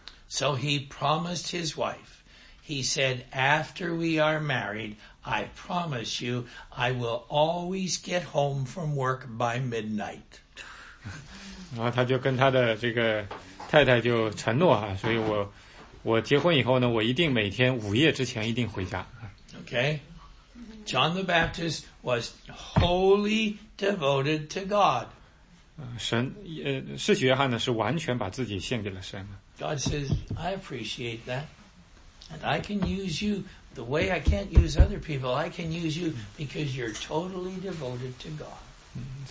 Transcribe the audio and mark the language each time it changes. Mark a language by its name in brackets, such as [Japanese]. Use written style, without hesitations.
[English] So he promised his wife. He said, after we are married,I promise you, I will always get home from work by midnight. [Chinese] 然后他就跟他的这个太太就承诺啊，所以我结婚以后呢，我一定每天午夜之前一定回家。 [English] Okay, John the Baptist was wholly devoted to God. [Chinese] 神，施洗约翰呢是完全把自己献给了神。 [English] God says, I appreciate that, and I can use you. The way I can't use other people, I can use you because you're totally devoted to God.